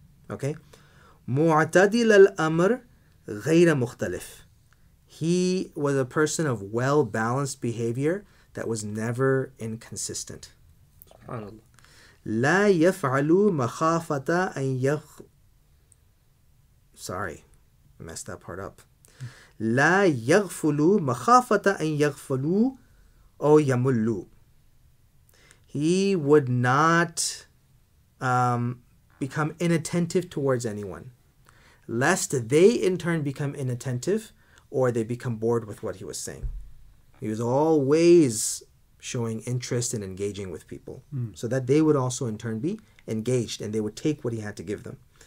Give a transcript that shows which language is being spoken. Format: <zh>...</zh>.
<en>Okay?</en> <ar>مُعْتَدِلَ الْأَمْرِ غَيْرَ مُخْتَلِفٍ.</ar> <en>He was a person of well-balanced behavior that was never inconsistent. SubhanAllah.</en> <ar>لا يَفْعَلُ مَخَافَةَ أَنْ يَخْ...</ar> <en>Sorry, I messed that part up.</en> <ar>لا يَغْفُلُ مَخَافَةَ أَنْ يَغْفُلُ أَوْ يَمُلُّ.</ar> <en>He would not become inattentive towards anyone, lest they in turn become inattentive or they become bored with what he was saying. He was always showing interest in engaging with people, so that they would also in turn be engaged and they would take what he had to give them.</en>